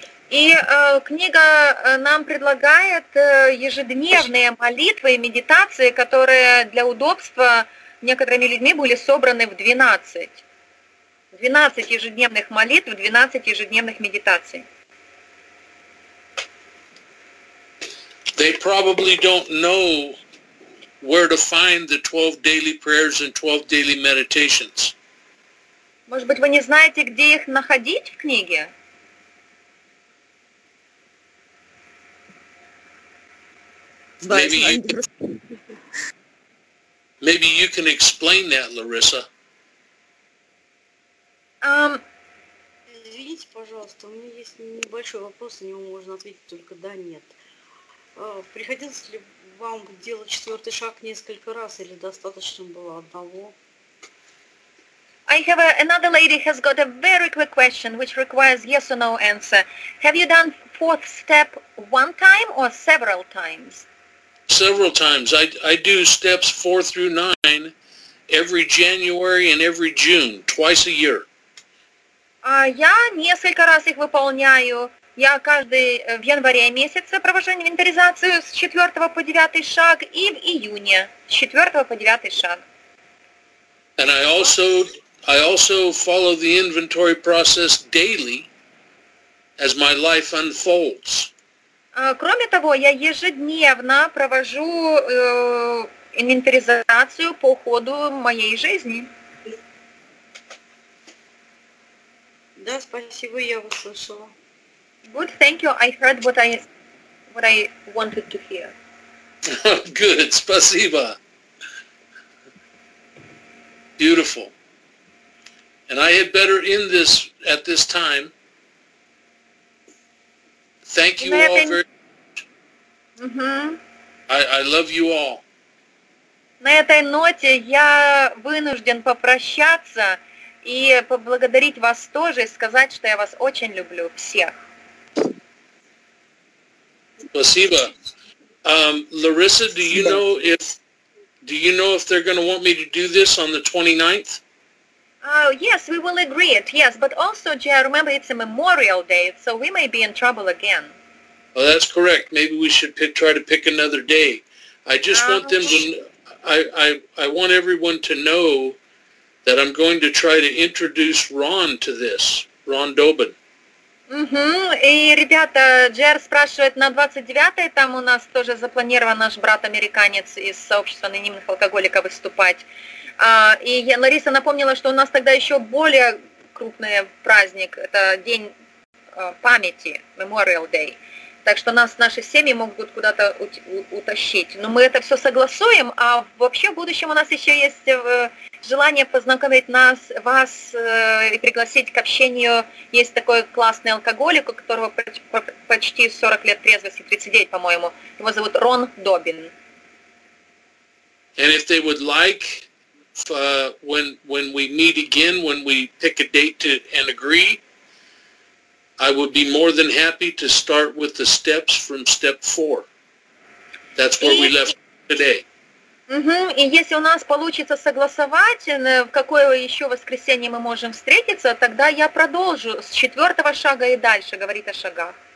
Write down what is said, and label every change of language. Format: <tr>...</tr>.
<ru>И книга нам предлагает ежедневные молитвы и медитации, которые для удобства некоторыми людьми были собраны в 12. 12 ежедневных молитв, 12 ежедневных медитаций.</ru> <en>They probably don't know where to find the 12 daily prayers and 12 daily meditations.</en> <ru>Может быть, вы не знаете, где их находить в книге?</ru> <en>Maybe you can explain that, Larissa.</en> <ru>Извините, пожалуйста, у меня есть небольшой вопрос, на него можно ответить только да, нет. Приходилось ли вам делать четвертый шаг несколько раз или достаточно было одного?</ru> <en>I have another lady has got a very quick question which requires yes or no answer. Have you done fourth step one time or several times? Several times. I do steps 4 through 9 every January and every June, twice a year.</en> <ru>Я несколько раз их выполняю. Я каждый в январе месяце провожу инвентаризацию с 4 по 9 шаг и в июне с 4 по 9 шаг.</ru> <en>And I also follow the inventory process daily as my life unfolds.</en> <ru>Кроме того, я ежедневно провожу инвентаризацию по ходу моей жизни. Да, спасибо, я услышала.</ru> <en>Good, thank you. I heard what I wanted to hear. Good, спасибо. Beautiful. And I had better end this at this time. Thank you all very much. I love you all.</en> <ru>На этой ноте я вынужден попрощаться и поблагодарить вас тоже и сказать, что я вас очень люблю всех. Спасибо.</ru> <en>Larissa, do you know if they're going to want me to do this on the 29th? Oh, yes, we will agree it, yes. But also, Jay, remember, it's a Memorial Day, so we may be in trouble again. Well, that's correct. Maybe we should try to pick another day. I just want them to... I want everyone to know that I'm going to try to introduce Ron to this, Ron Dobin. Mm-hmm.</en> <ru>И, ребята, Джер спрашивает, на 29-е там у нас тоже запланирован наш брат-американец из сообщества анонимных алкоголиков выступать. И Лариса напомнила, что у нас тогда еще более крупный праздник, это день памяти, Memorial Day. Так что нас наши семьи могут куда-то утащить. Но мы это все согласуем, а вообще в будущем у нас еще есть желание познакомить вас и пригласить к общению. Есть такой классный алкоголик, у которого почти 40 лет трезвости, 39, по-моему. Его зовут Рон Добин.</ru> <en>And if they would like, when we meet again, when we pick a date to and agree, I would be more than happy to start with the steps from step 4. That's where we left today. Mm-hmm.</en> <ru>И если у нас получится согласовать, в какое еще воскресенье мы можем встретиться, тогда я продолжу с четвертого шага и дальше говорить о шагах.</ru>